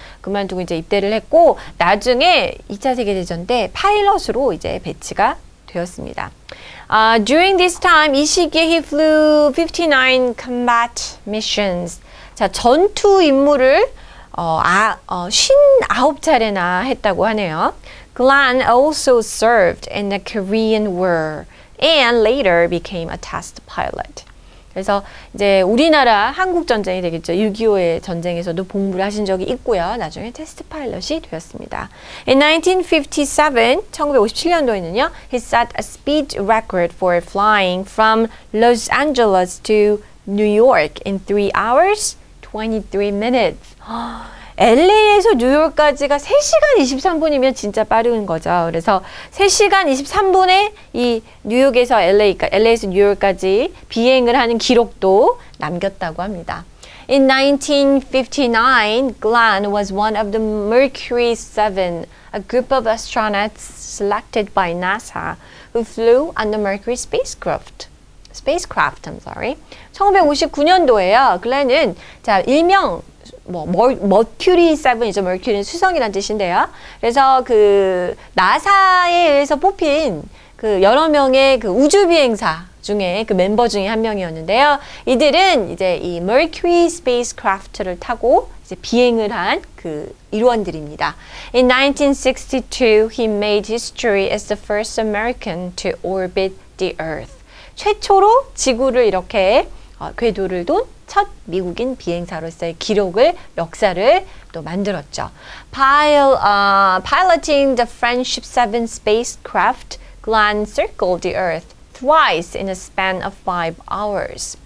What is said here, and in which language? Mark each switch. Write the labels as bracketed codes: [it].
[ko] 그만두고 이제 입대를 했고, 나중에 2차 세계대전 때 파일럿으로 이제 배치가 되었습니다. [en] During this time, [ko] 이 시기에 [en] he flew 59 combat missions. [ko] 자, 전투 임무를 59차례나 했다고 하네요. [en] Glenn also served in the Korean War and later became a test pilot. [ko] 그래서 이제 우리나라 한국 전쟁이 되겠죠. 6.25의 전쟁에서도 복무를 하신 적이 있고요. 나중에 테스트 파일럿이 되었습니다. [en] In 1957, [ko] 1957년도에는요, [en] he set a speed record for flying from Los Angeles to New York in 3 hours 23 minutes. [ko] LA에서 뉴욕까지가 3시간 23분이면 진짜 빠른 거죠. 그래서 3시간 23분에 이 뉴욕에서 LA, LA에서 뉴욕까지 비행을 하는 기록도 남겼다고 합니다. [en] In 1959, Glenn was one of the Mercury 7, a group of astronauts selected by NASA who flew on the Mercury spacecraft. [ko] Spacecraft, 1959년도에요. 글렌은 자, 일명 뭐 머큐리 7이죠. 머큐리는 수성이란 뜻인데요. 그래서 그 나사에 의해서 뽑힌 그 여러 명의 그 우주 비행사 중에 그 멤버 중에 한 명이었는데요. 이들은 이제 이 머큐리 스페이스크래프트를 타고 이제 비행을 한 그 일원들입니다. [en] In 1962 he made history as the first American to orbit the Earth. [ko] 최초로 지구를 이렇게 궤도를 돈 첫 미국인 비행사로서의 기록을 역사를 또 만들었죠. [en] Piloting the Friendship 7 spacecraft, Glenn circled the Earth twice in a span of 5 hours.